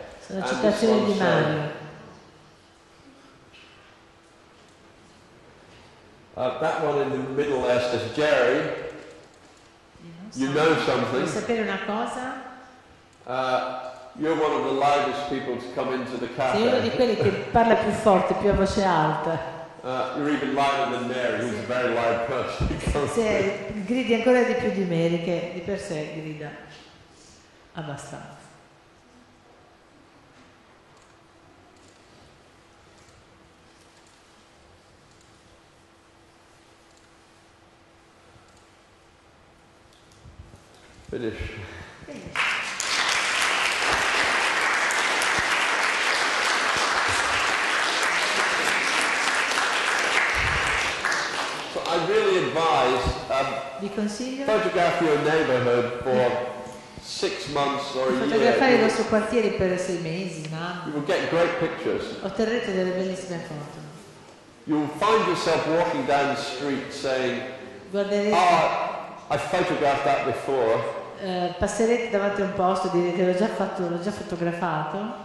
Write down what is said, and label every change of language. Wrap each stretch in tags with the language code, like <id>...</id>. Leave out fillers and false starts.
<it>Sono citazioni di Mario.</it> <en>That one in the middle there says, Gerry, you know something.</en> <it>Vuoi sapere una cosa?</it> <en>You're one of the loudest people to come into the cafe.</en> <it>Sei uno di quelli che parla più forte, più a voce alta.</it> <en>You're even louder than Mary, who's a very loud person.</en> <it>Se gridi ancora di più di Mary, che di per sé grida abbastanza.</it> <en>Finish. I really advise</en> <it>vi consiglio</it> <en>photograph your neighborhood for 6 months or a year.</en> <it>Fotografare il vostro quartiere per 6 mesi, ma</it> <en>you will get great pictures.</en> <it>Otterrete delle bellissime foto.</it> <en>You will find yourself walking down the street saying,</en> <it>guarderete,</it> <en>"Oh, I photographed that before."</en> <it>Passerete davanti a un posto e direte, l'ho già fotografato.</it>